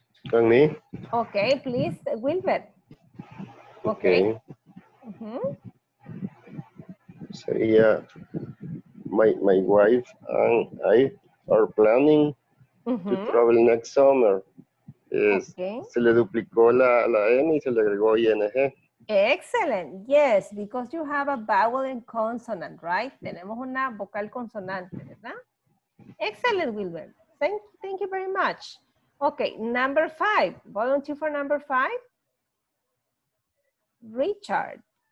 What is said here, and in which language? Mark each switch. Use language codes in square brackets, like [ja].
[es] Con mí. [en] Okay, please, Wilbert. Okay. Mm-hmm. Sería, my wife and I are planning mm-hmm. to travel next summer. Yes. Okay. [es] Se le duplicó la N y se le agregó ING. [en] Excellent. Yes, because you have a vowel and consonant, right? [es] Tenemos una vocal consonante, ¿verdad? [en] Excellent, Wilbert. Thank you very much. Okay, number five. Volunteer for number five. Richard.